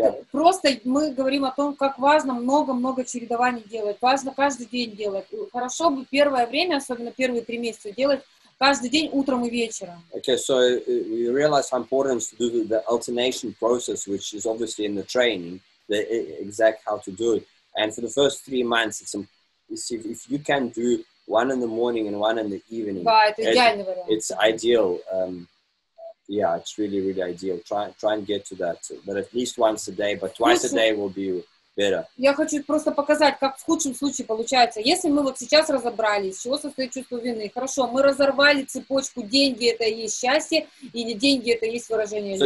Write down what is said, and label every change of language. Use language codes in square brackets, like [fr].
[ru] просто мы говорим о том, как важно много-много чередований делать. Важно каждый день делать. Хорошо бы первое время, особенно первые три месяца, делать каждый день утром и вечером. [en] Okay, so we realize how important to do the alternation process, which is obviously in the training, the exact how to do it. And for the first 3 months, if you can do one in the morning and one in the evening, it's ideal. Yeah, it's really, really ideal. Try and get to that. But at least once a day, but twice a day will be better. [ru] Я хочу просто показать, как в худшем случае получается. Если мы вот сейчас разобрались, чего состоит чувство вины. Хорошо, мы разорвали цепочку «деньги – это и есть счастье», или «деньги – это и есть выражение любви».